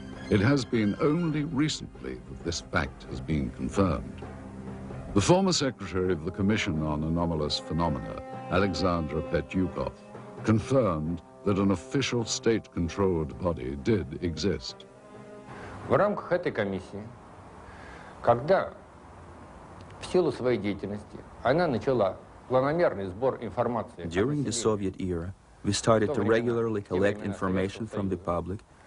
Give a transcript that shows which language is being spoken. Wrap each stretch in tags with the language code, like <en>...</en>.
<en>It has been only recently that this fact has been confirmed. The former secretary of the Commission on Anomalous Phenomena, Alexandra Petyukov, confirmed that an official state-controlled body did exist.</en> <ru>В рамках этой комиссии, когда в силу своей деятельности она начала планомерный сбор информации.</ru> <en>During the Soviet era, we started to regularly collect information from the public.</en>